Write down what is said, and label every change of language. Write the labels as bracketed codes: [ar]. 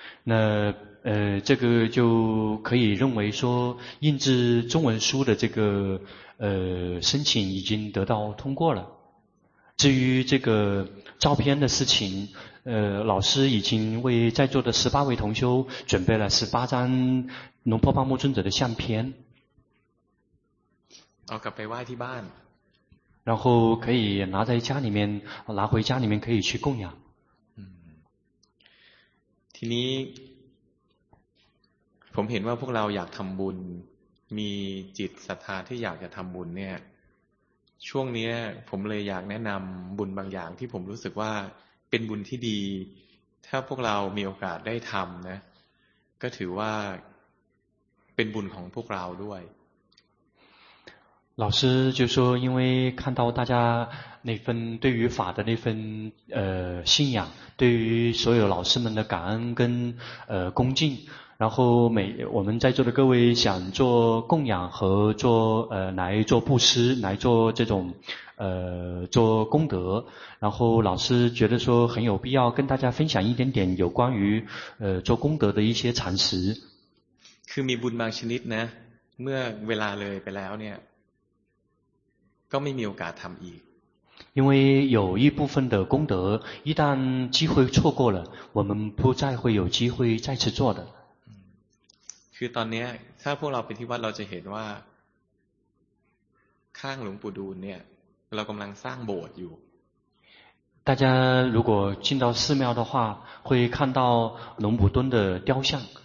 [zh] 那这个就可以认为说印制中文书的这个申请已经得到通过了。至于这个照片的事情，老师已经为在座的18位同修准备了18张龙婆巴木尊者的相片。 [th] เอากลับไปไหว้ที่บ้าน。 [zh] 然后可以拿在家里面，拿回家里面可以去供养。 [th] ทีนี้ผมเห็นว่าพวกเราอยากทำบุญมีจิตศรัทธาที่อยากจะทำบุญเนี่ยช่วงนี้ผมเลยอยากแนะนำบุญบางอย่างที่ผมรู้สึกว่าเป็นบุญที่ดีถ้าพวกเรามีโอกาสได้ทำนะก็ถือว่าเป็นบุญของพวกเราด้วย [zh] 老师就说，因为看到大家那份对于法的那份信仰，对于所有老师们的感恩跟恭敬，然后我们在座的各位想做供养和做来做布施，来做这种做功德，然后老师觉得说很有必要跟大家分享一点点有关于做功德的一些常识。 [th] คือมีบุญบางชนิดนะเมื่อเวลาเลยไปแล้วเนี่ยก็ไม่มีโอกาสทำอีก [zh] 因为有一部分的功德一旦机会错过了我们不再会有机会再次做的 [th] คือตอนนี้ถ้าพวกเราไปที่วัดเราจะเห็นว่าข้างหลวงปู่ดูลเนี่ยเรากำลังสร้างโบสถ์อยู่ [zh] 大家如果进到寺庙的话会看到龙普敦的雕像